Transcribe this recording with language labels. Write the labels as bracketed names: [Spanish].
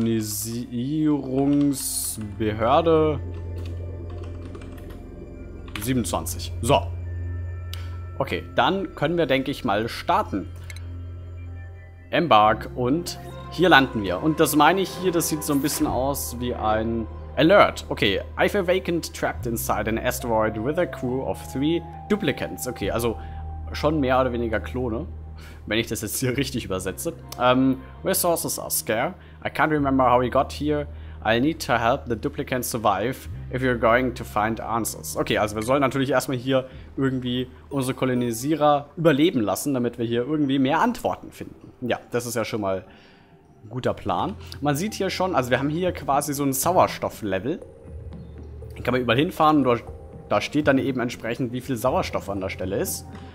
[German] Kolonisierungsbehörde 27. So. Okay, dann können wir, denke ich, mal starten. Embark, und hier landen wir. Und das meine ich hier, das sieht so ein bisschen aus wie ein Alert. [English] Okay, I've awakened trapped inside an asteroid with a crew of 3 duplicates. [German] Okay, also schon mehr oder weniger Klone, wenn ich das jetzt hier richtig übersetze. [English] Resources are scarce. I can't remember how we got here. I need to help the duplicates survive if you're going to find answers. [German] Okay, also wir sollen natürlich erstmal hier irgendwie unsere Kolonisierer überleben lassen, damit wir hier irgendwie mehr Antworten finden. Ja, das ist ja schon mal ein guter Plan. Man sieht hier schon, also wir haben hier quasi so ein Sauerstofflevel. Da kann man überall hinfahren und da steht dann eben entsprechend, wie viel Sauerstoff an der Stelle ist.